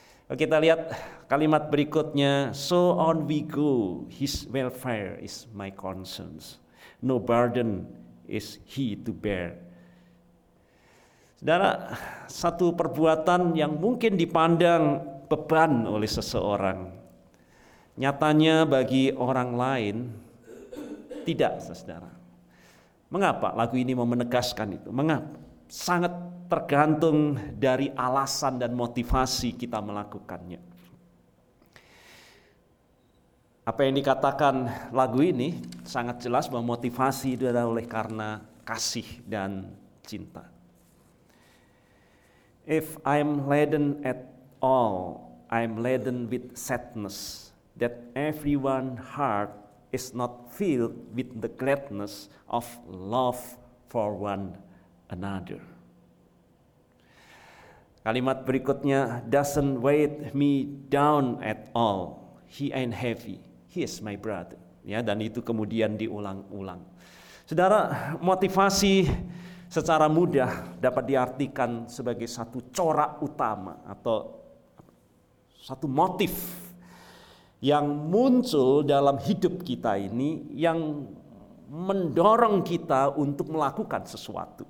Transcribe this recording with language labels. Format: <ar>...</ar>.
<id>Kita lihat kalimat berikutnya,</id> <en>so on we go, his welfare is my conscience, no burden is he to bear.</en> <id>Saudara, satu perbuatan yang mungkin dipandang beban oleh seseorang, nyatanya bagi orang lain tidak, saudara. Mengapa lagu ini mau menegaskan itu? Mengapa? Sangat tergantung dari alasan dan motivasi kita melakukannya. Apa yang dikatakan lagu ini sangat jelas bahwa motivasi itu adalah oleh karena kasih dan cinta.</id> <en>If I'm laden at all, I'm laden with sadness, that everyone's heart is not filled with the gladness of love for one another.</en> <id>Kalimat berikutnya,</id> <en>doesn't weigh me down at all. He ain't heavy. He is my brother.</en> <id>Ya, dan itu kemudian diulang-ulang. Saudara, motivasi secara mudah dapat diartikan sebagai satu corak utama atau satu motif yang muncul dalam hidup kita ini yang mendorong kita untuk melakukan sesuatu.</id>